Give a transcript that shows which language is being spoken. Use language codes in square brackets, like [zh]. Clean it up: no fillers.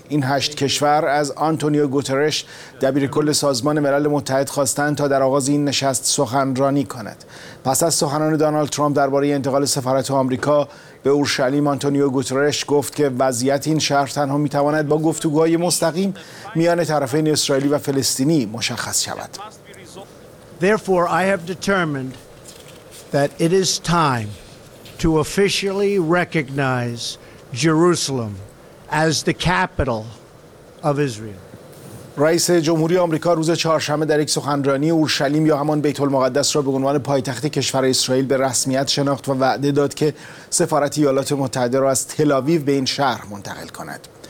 [fa] این 8 کشور از آنتونیو گوترش، دبیرکل سازمان ملل متحد خواستند تا در آغاز این نشست سخنرانی کند. پس از سخنان دونالد ترامپ درباره انتقال سفارت آمریکا به اورشلیم، آنتونیو گوترش گفت که وضعیت این شهر تنها می‌تواند با گفتگوهای مستقیم میان طرفین اسرائیلی و فلسطینی مشخص شود. [en] Therefore I have determined that it is time to officially recognize Jerusalem as the capital of Israel. [fa] رئیس جمهوری آمریکا روز چهارشنبه در یک سخنرانی اورشلیم یا همان بیت المقدس را به عنوان پایتخت کشور اسرائیل به رسمیت شناخت و وعده داد که سفارت ایالات متحده را از تل آویو به این شهر منتقل کند.